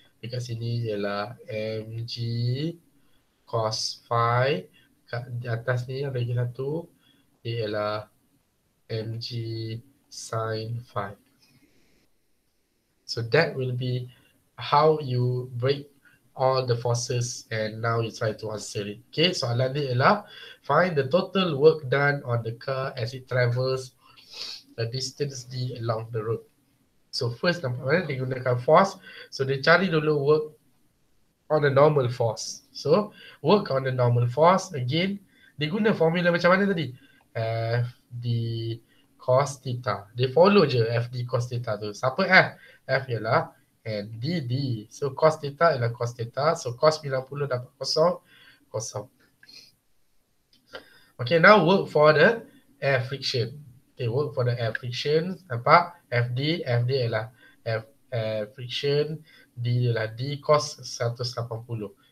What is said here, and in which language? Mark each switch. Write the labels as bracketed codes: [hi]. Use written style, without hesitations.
[ms] Dekat sini ialah mg cos phi. Kat di atas ni ada lagi satu, ialah mg sin phi. [en] So that will be how you break all the forces and now you try to answer it. Okay, [ms] soalan ni ialah [en] find the total work done on the car as it travels the distance d along the road. [ms] So first nampak mana dia gunakan force. So dia cari dulu [en] work on the normal force. So work on the normal force again. [ms] Dia guna formula macam mana tadi? Fd cos theta. Dia follow je Fd cos theta tu. Siapa F? F ialah Nd d. So cos theta ialah cos theta. So cos 90 dapat kosong. Kosong. [en] Okay, now work for the air friction. Okay, work for the air friction. [ms] Nampak? Fd, Fd ialah air friction, D ialah D cos 180.